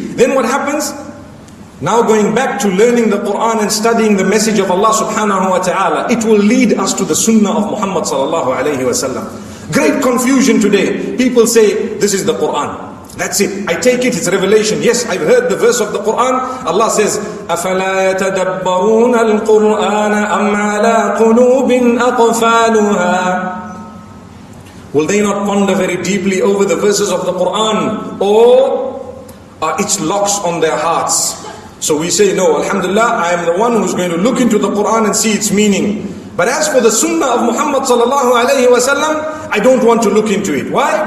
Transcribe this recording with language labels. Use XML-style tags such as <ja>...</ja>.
<en>Then what happens? Now going back to learning the Quran and studying the message of Allah subhanahu wa ta'ala, it will lead us to the sunnah of Muhammad sallallahu alayhi wa sallam. Great confusion today. People say, this is the Quran. That's it. I take it, it's revelation. Yes, I've heard the verse of the Quran. Allah says,</en> <ar>أَفَلَا يَتَدَبَّرُونَ الْقُرْآنَ أَمْ عَلَىٰ قُلُوبٍ أَقْفَالُهَا.</ar> <en>Will they not ponder very deeply over the verses of the Quran? Or are its locks on their hearts? So we say, no, alhamdulillah, I am the one who's going to look into the Quran and see its meaning. But as for the sunnah of Muhammad sallallahu alayhi wa sallam, I don't want to look into it. Why?</en>